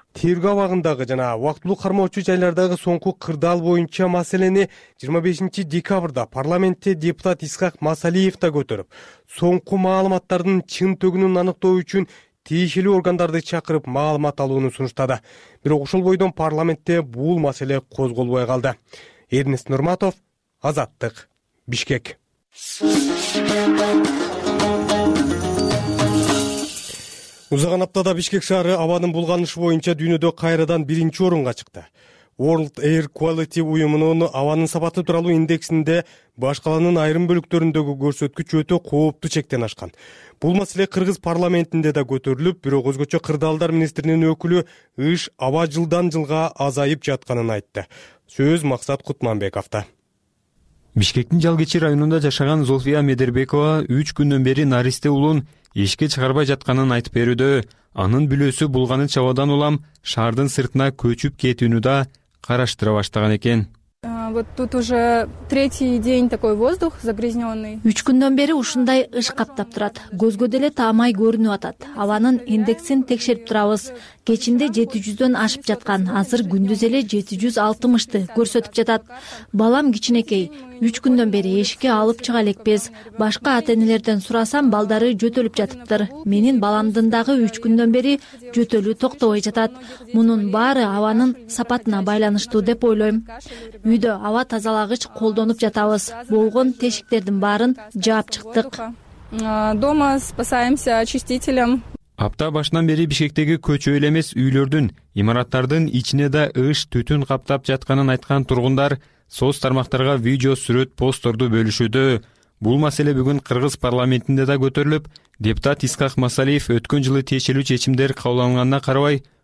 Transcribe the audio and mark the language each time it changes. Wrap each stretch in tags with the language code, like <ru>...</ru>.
<ky>Тергөө абагындагы жана убактылуу кармоочу жайлардагы соңку кырдаал боюнча маселени 25 декабрда парламентте депутат Искак Масалиев да көтөрүп, соңку маалыматтардын чын төгүнүн аныктоо үчүн тиешелүү органдарды чакырып маалымат алууну сунуштады. Бирок ошол бойдон парламентте бул маселе козголбой калды. Эрнис Нурматов, Азаттык, Бишкек. Узаган аптада Бишкек шаары абанын булганышы боюнча дүйнөдө кайрадан биринчи орунга чыкты. World Air Quality уюмунун абанын сапаты тууралуу индексинде башкаланын айрым бөлүктөрүндөгү көрсөткүч өтө кооптуу чектен ашкан. Бул маселе кыргыз парламентинде да көтөрүлүп, бирок өзгөчө кырдаалдар министринин өкүлү ыш аба жылдан жылга азайып жатканын айтты. Сөз Максат Кутманбековдо. Бишкектин Жалгечи районунда жашаган Зульфия Медербекова 3 күндөн бери наристе улун ишке чыгарбай жатканын айтып берүүдө. Анын бүлөсү булганы чабадан улам шаардын сыртына көчүп кетүүнү да караштыра баштаган экен.</ky> <ru>Вот тут уже третий день такой воздух загрязнённый.</ru> <ky>3 күндөн бери ушундай ыш каптап турат. Көзгө деле таамай көрүнүп атат. Абанын индексин текшерип турабыз. Кечинде 700'дөн ашып жаткан, азыр күндүз эле 760'ды көрсөтүп жатат. Балам кичинекей, 3 күндөн бери эшикке алып чыга элекпиз. Башка ата-энелерден сурасам, балдары жөтөлүп жатыптыр. Менин баламдын дагы 3 күндөн бери жөтөлүү токтобой жатат. Мунун баары абанын сапатына байланыштуу деп ойлойм. Үйдө аба тазалагыч колдонуп жатабыз. Болгон тешиктердин баарын жаап чыктык.</ky> <ru>Дома спасаемся очистителем.</ru> <ky>Апта башынан бери Бишкектеги көчө эле эмес, үйлөрдүн, имараттардын ичине да ыш түтүн каптап жатканын айткан тургундар соц тармактарга видео, сүрөт, постторду бөлүшүүдө. Бул маселе бүгүн кыргыз парламентинде да көтөрүлүп, депутат Искак Масалиев өткөн жылы тиешелүү чечимдер кабыл алынганына карабай</ky>